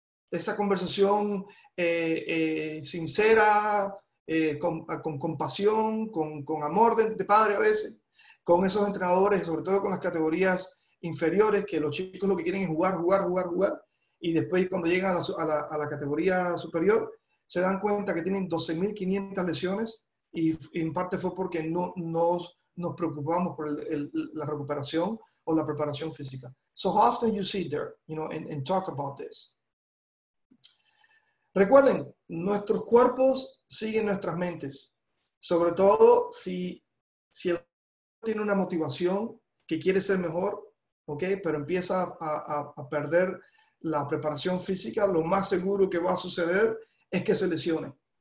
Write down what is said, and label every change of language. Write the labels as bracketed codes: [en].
[es] Esa conversación sincera, con compasión, con amor de padre a veces, con esos entrenadores, sobre todo con las categorías inferiores, que los chicos lo que quieren es jugar, y después cuando llegan a la categoría superior, se dan cuenta que tienen 12.500 lesiones, y en parte fue porque no nos preocupamos por la recuperación o la preparación física. [en] So how often you sit there, you know, and talk about this? [es] Recuerden, nuestros cuerpos siguen nuestras mentes, sobre todo si el cuerpo tiene una motivación que quiere ser mejor, okay, pero empieza a perder la preparación física, lo más seguro que va a suceder es que se lesione.